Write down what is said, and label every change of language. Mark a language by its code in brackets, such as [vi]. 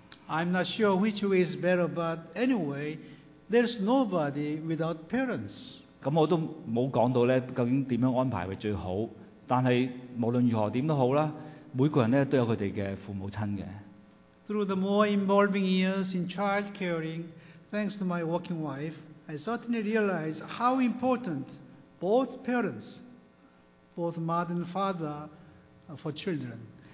[en] I'm not sure which way is better, but anyway, there's nobody without parents. [zh] 我都沒有說到究竟怎樣安排是最好，但是無論如何都好，每個人都有他們的父母親的。 [en] Through the more involving years in child caring, thanks to my working wife, I certainly realize how important both parents, both mother and father, are for children.